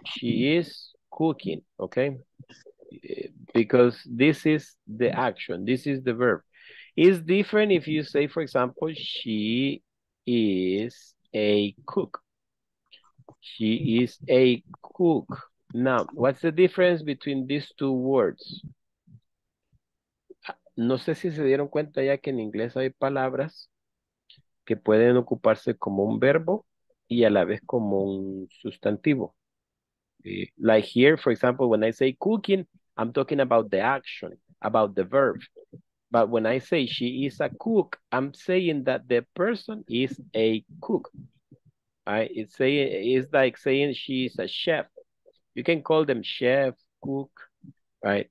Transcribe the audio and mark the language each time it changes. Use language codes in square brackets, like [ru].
[en] She is cooking, okay? Because this is the action. This is the verb. It's different if you say, for example, she is a cook. She is a cook. Now, what's the difference between these two words? [es] No sé si se dieron cuenta ya que en inglés hay palabras que pueden ocuparse como un verbo y a la vez como un sustantivo. [en] Like here, for example, when I say cooking, I'm talking about the action, about the verb. But when I say she is a cook, I'm saying that the person is a cook. Right? It's like saying she is a chef. You can call them chef, cook, right?